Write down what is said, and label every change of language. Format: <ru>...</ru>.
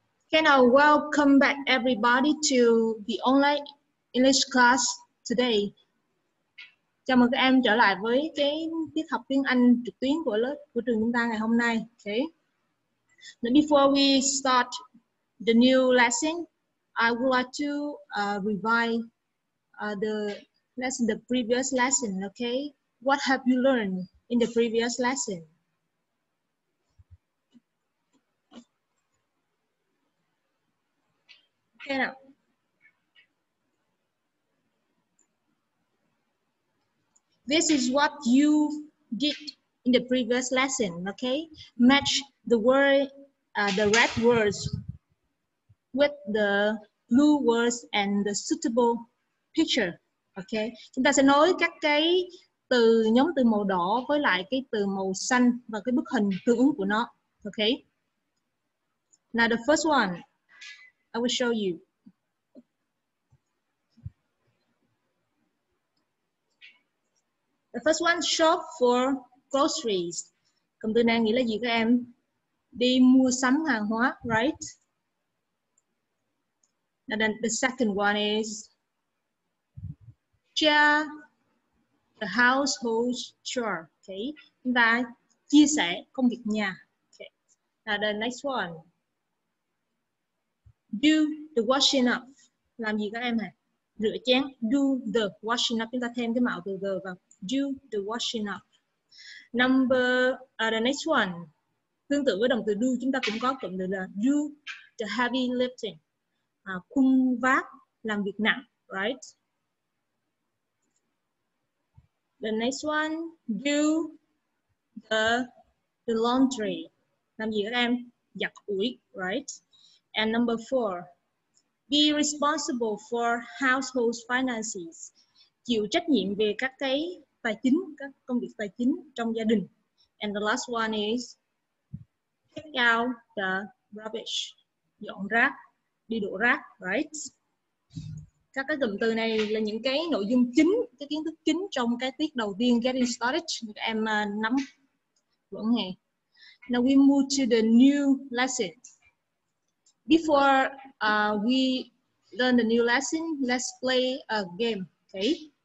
<en>Can I welcome back everybody to the online English class today?</en> <vi>Chào mừng các em trở lại với cái tiết học tiếng Anh trực tuyến của lớp của trường chúng ta ngày hôm nay.</vi> <en>Okay. Now before we start the new lesson, I would like to revise the lesson, the previous lesson. Okay, what have you learned in the previous lesson? Okay, now. This is what you did in the previous lesson. Okay, match the word, the red words with the blue words and the suitable picture.</en> <vi>Okay, chúng ta sẽ nối các cái từ nhóm từ màu đỏ với lại cái từ màu xanh và cái bức hình tương ứng của nó.</vi> <en>Okay. Now the first one, I will show you. The first one, shop for groceries.</en> <vi>Cụm từ này nghĩa là gì các em? Đi mua sắm hàng hóa, right?</vi> <en>And then the second one is share the household chore.</en> <vi>Okay, chúng ta chia sẻ công việc nhà.</vi> <en>Okay. Now the next one, do the washing up.</en> <vi>Làm gì các em hả? Rửa chén.</vi> <en>Do the washing up.</en> <vi>Chúng ta thêm cái mạo từ the vào.</vi> <en>Do the washing up. Number the next one,</en> <vi>tương tự với động từ do, chúng ta cũng có cụm từ là</vi> <en>do the heavy lifting.</en> <vi>Khung vác, làm việc nặng, right?</vi> <en>The next one, do the laundry.</en> <vi>Làm gì các em? Giặt ủi, right?</vi> <en>And number four, be responsible for household finances.</en> <vi>Chịu trách nhiệm về các cái tài chính, các công việc tài chính trong gia đình.</vi> <en>And the last one is take out the rubbish.</en> <vi>Dọn rác, đi đổ rác, right? Các cái cụm từ này là những cái nội dung chính, cái kiến thức chính trong cái tiết đầu tiên Getting Started. Các em nắm vững nghe.</vi> <en>Now we move to the new lesson. Before we learn the new lesson, let's play a game, okay?</en>